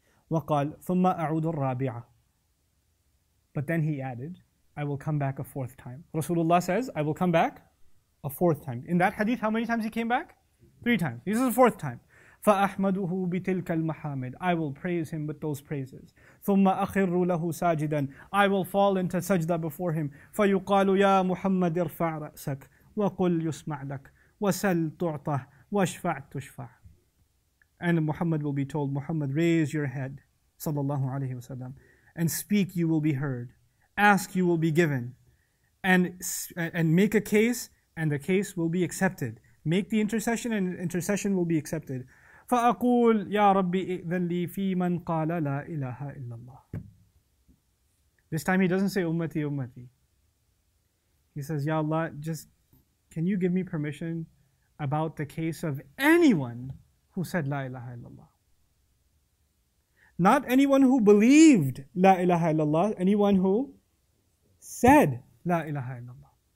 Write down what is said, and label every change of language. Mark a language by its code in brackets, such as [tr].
[ar] وَقَالْ ثُمَّ أَعُودُ الرَّابِعَ [en] But then he added, I will come back a fourth time. Rasulullah says, I will come back a fourth time. In that hadith, how many times he came back? Three times. This is the fourth time. [ar] فَأَحْمَدُهُ بِتِلْكَ الْمَحَامِدِ [en] I will praise him with those praises. [ar] ثُمَّ أَخِرُّ لَهُ سَاجِدًا [en] I will fall into sajda before him. [ar] فَيُقَالُ يَا مُحَمَّدِ ارْفَعْ رَأْسَكْ وَقُلْ يُسْمَعْ لَكْ وَسَلْ تُعْطَهْ وَاشْفَعْ تُشْفَعْ [en] And Muhammad will be told, Muhammad, raise your head. Sallallahu alayhi wa sallam. And speak, you will be heard. Ask, you will be given. And make a case, and the case will be accepted. Make the intercession, and intercession will be accepted. [ar] فَأَقُولْ يَا رَبِّ إِذَنْ لِي فِي مَنْ قَالَ لَا إِلَهَ إِلَّا اللَّهِ [en] This time he doesn't say, Ummati, Ummati. He says, Ya Allah, just can you give me permission about the case of anyone who said, La ilaha illallah? Not anyone who believed La ilaha illallah, anyone who said La ilaha illallah.